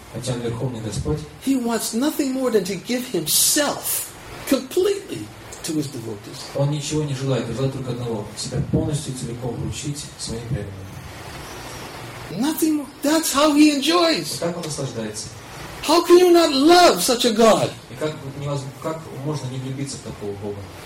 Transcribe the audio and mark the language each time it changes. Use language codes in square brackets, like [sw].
[ru] хотя он верховный Господь, [en] he wants nothing more than to give himself completely to his devotees. [ru] Он ничего не желает, он желает только одного: себя полностью, целиком вручить своим преданным. [en] Nothing more. That's how he enjoys. [ru] Вот так он наслаждается. [en] How can you not love such a God? [ru] И как можно не влюбиться в такого Бога?